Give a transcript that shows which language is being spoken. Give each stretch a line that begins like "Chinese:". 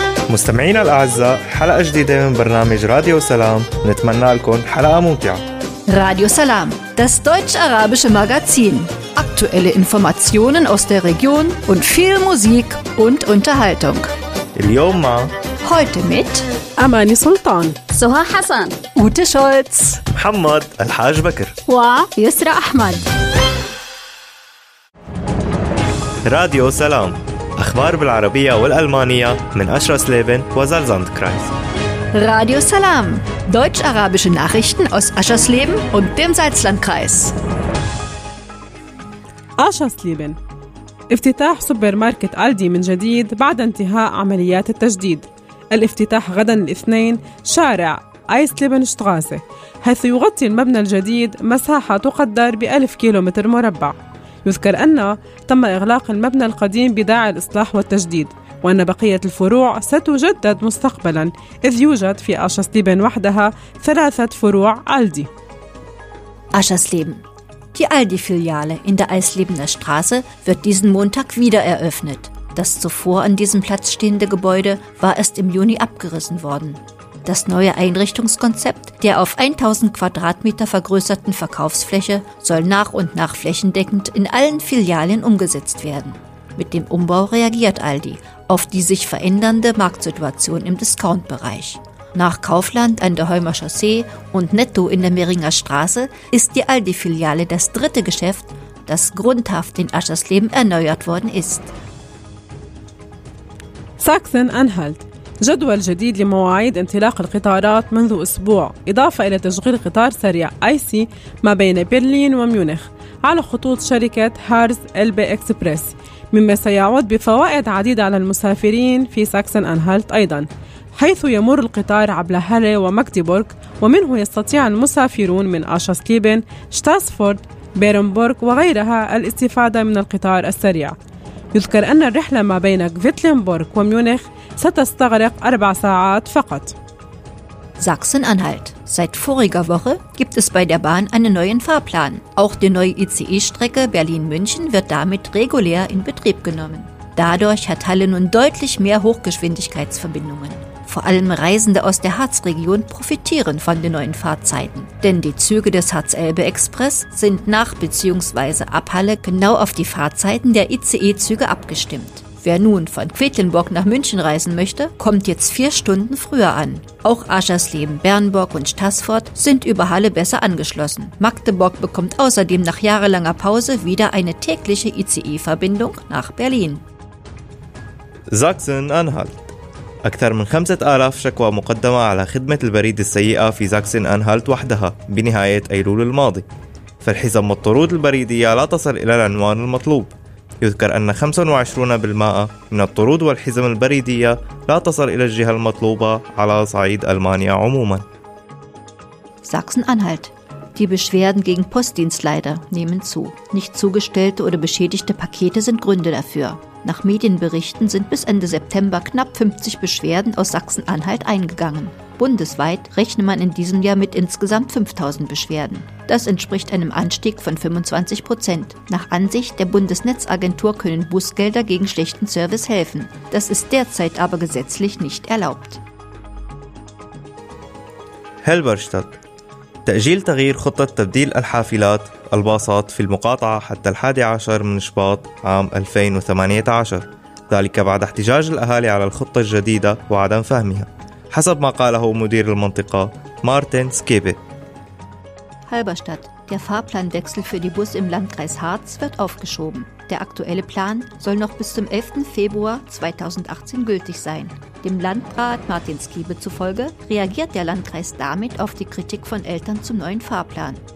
Arabic: مستمعينا الأعزاء، حلقة جديدة من برنامج راديو سلام، نتمنى لكم حلقة ممتعة.
German: راديو سلام، das deutsch-arabische Magazin. Aktuelle Informationen aus der Region und viel Musik und Unterhaltung.
Arabic: اليوم مع
German: heute mit
Arabic: أماني سلطان، سهى حسن، أوتي شولتز، محمد الحاج بكر، ويسرى أحمد. راديو سلام، أخبار بالعربية والألمانية من أشرس ليبن وزلزاند كرايس.
German: راديو سلام، deutsch-arabische Nachrichten aus Aschersleben und dem Salzlandkreis. Aschersleben.
Arabic: افتتاح سوبر ماركت ألدي من جديد بعد انتهاء عمليات التجديد. الافتتاح غدا الاثنين شارع أيسليبنشتغاسة، حيث يغطي المبنى الجديد مساحة تقدر بألف كيلومتر مربع. يذكر أن تم إغلاق المبنى القديم بداعي الإصلاح والتجديد، وأن بقية الفروع ستجدد مستقبلاً، إذ يوجد في أشاسليبن وحدها ثلاثة فروع ألدي. أشاسليبن.
German: Die Aldi-Filiale in der Eisliebener Straße wird diesen Montag wieder eröffnet. Das zuvor an diesem Platz stehende Gebäude war erst im Juni abgerissen worden. Das neue Einrichtungskonzept der auf 1000 Quadratmeter vergrößerten Verkaufsfläche soll nach und nach flächendeckend in allen Filialen umgesetzt werden. Mit dem Umbau reagiert Aldi auf die sich verändernde Marktsituation im Discount-Bereich. Nach Kaufland an der Holmer Chaussee und Netto in der Meringer Straße ist die Aldi-Filiale das dritte Geschäft, das grundhaft in Aschersleben erneuert worden ist. Sachsen-Anhalt.
Arabic: جدول جديد لمواعيد انطلاق القطارات منذ أسبوع، إضافة إلى تشغيل قطار سريع IC ما بين برلين وميونخ على خطوط شركة هارز إلبي إكسبرس، مما سيعود بفوائد عديدة على المسافرين في ساكسن أنهالت أيضا، حيث يمر القطار عبر هالي ومكتبورغ، ومنه يستطيع المسافرون من أشاسليبن، شتاسفورد، بيرنبورغ وغيرها الاستفادة من القطار السريع. يذكر أن الرحلة ما بين كفيتلينبورغ وميونخ ستستغرق 4 ساعات فقط.
German: Sachsen-Anhalt. Seit voriger Woche gibt es bei der Bahn einen neuen Fahrplan. Auch die neue ICE-Strecke Berlin-München wird damit regulär in Betrieb genommen. Dadurch hat Halle nun deutlich mehr Hochgeschwindigkeitsverbindungen. Vor allem Reisende aus der Harzregion profitieren von den neuen Fahrzeiten. Denn die Züge des Harz-Elbe-Express sind nach bzw. ab Halle genau auf die Fahrzeiten der ICE-Züge abgestimmt. Wer nun von Quedlinburg nach München reisen möchte, kommt jetzt 4 Stunden früher an. Auch Aschersleben, Bernburg und Stassfurt sind über Halle besser angeschlossen. Magdeburg bekommt außerdem nach jahrelanger Pause wieder eine tägliche ICE-Verbindung nach Berlin. Sachsen-Anhalt.
Arabic: أكثر من 5000 شكوى مقدمة على خدمة البريد السيئة في ساكسن-أنهالت وحدها بنهاية أيلول الماضي، فالحزم والطرود البريدية لا تصل إلى العنوان المطلوب. يذكر أن 25% من الطرود والحزم البريدية لا تصل إلى الجهة المطلوبة على صعيد ألمانيا عموما.
German: Sachsen-Anhalt. Die Beschwerden gegen Postdienstleiter nehmen zu. Nicht zugestellte oder beschädigte Pakete sind Gründe dafür. Nach Medienberichten sind bis Ende September knapp 50 Beschwerden aus Sachsen-Anhalt eingegangen. Bundesweit rechne man in diesem Jahr mit insgesamt 5000 Beschwerden. Das entspricht einem Anstieg von 25%. Nach Ansicht der Bundesnetzagentur können Bußgelder gegen schlechten Service helfen. Das ist derzeit aber gesetzlich nicht erlaubt. Helberstadt.
Arabic: تأجيل تغيير خطة تبديل الحافلات الباصات في المقاطعة حتى 11 من شباط عام 2018، ذلك بعد احتجاج الأهالي على الخطة الجديدة وعدم فهمها، حسب ما قاله مدير المنطقة مارتن سكيبي. هالبرشتات.
German: Der Fahrplanwechsel für die Busse im Landkreis Harz wird aufgeschoben. Der aktuelle Plan soll noch bis zum 11. Februar 2018 gültig sein. Dem Landrat Martin Skiebe zufolge reagiert der Landkreis damit auf die Kritik von Eltern zum neuen Fahrplan.